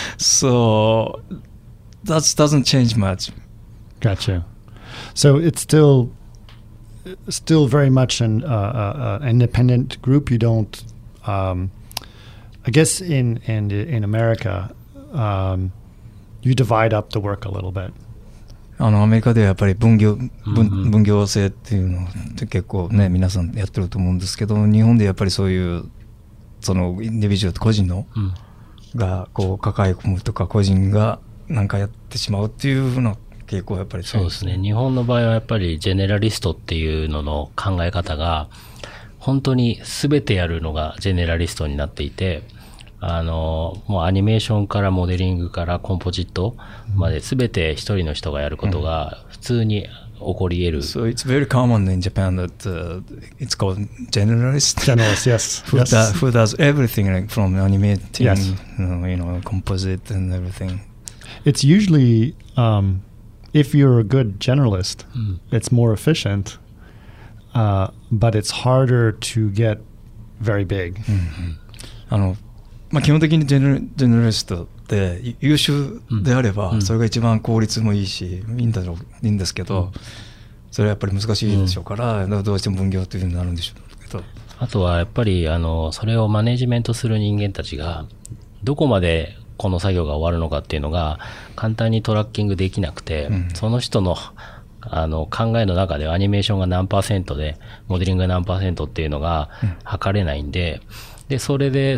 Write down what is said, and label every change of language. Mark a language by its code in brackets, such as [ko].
[en] So that doesn't change much. Gotcha. So it's still very much an independent group. You don't, I guess in America, you divide up the work a little bit. [ja] アメリカではやっぱり分業制っていうのって結構ね、皆さんやってると思うんですけど、日本でやっぱりそういうそのインディビジュアル個人のがこう抱え込むとか、個人が何かやってしまうっていうふうな傾向はやっぱりそうですね。日本の場合はやっぱりジェネラリストっていうのの考え方が本当に全てやるのがジェネラリストになっていて、もうアニメーションからモデリングからコンポジットまで全て一人の人がやることが普通に起こり得る。 [en] So it's very common in Japan that it's called generalist. Generalist, yes. Who does everything, like from animating, yes. You know, composite and everything. It's usually if you're a good generalist, it's more efficient, but it's harder to get very big. [ja] まあ、基本的にジェネラリストって優秀であればそれが一番効率もいいしいいんですけど、それはやっぱり難しいでしょうから、どうしても分業というふうになるんでしょうけど、あとはやっぱりあのそれをマネジメントする人間たちがどこまでこの作業が終わるのかっていうのが簡単にトラッキングできなくて、うん、その人のあの考えの中でアニメーションが何パーセントでモデリングが何パーセントっていうのが測れないんで、うん、でそれで